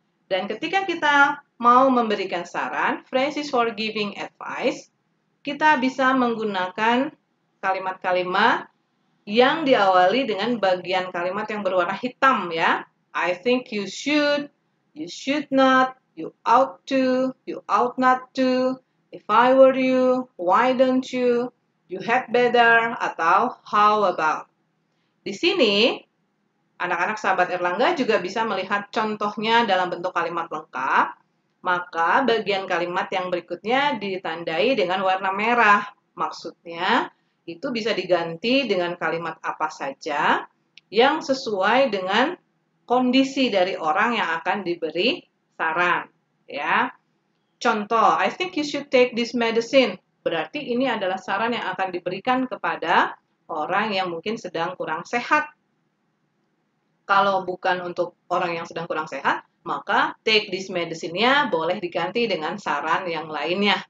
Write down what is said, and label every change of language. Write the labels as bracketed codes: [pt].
[id] Dan ketika kita mau memberikan saran, [en] phrases for giving advice, [id] kita bisa menggunakan kalimat-kalimat yang diawali dengan bagian kalimat yang berwarna hitam ya. [en] I think you should not, you ought to, you ought not to, if I were you, why don't you, you had better, atau how about. [id] Di sini, anak-anak sahabat Erlangga juga bisa melihat contohnya dalam bentuk kalimat lengkap. Maka bagian kalimat yang berikutnya ditandai dengan warna merah. Maksudnya, itu bisa diganti dengan kalimat apa saja yang sesuai dengan kondisi dari orang yang akan diberi saran. Ya. [en] Contoh, I think you should take this medicine. [id] Berarti ini adalah saran yang akan diberikan kepada orang yang mungkin sedang kurang sehat. Kalau bukan untuk orang yang sedang kurang sehat, maka [en] take this medicine- [id] nya boleh diganti dengan saran yang lainnya.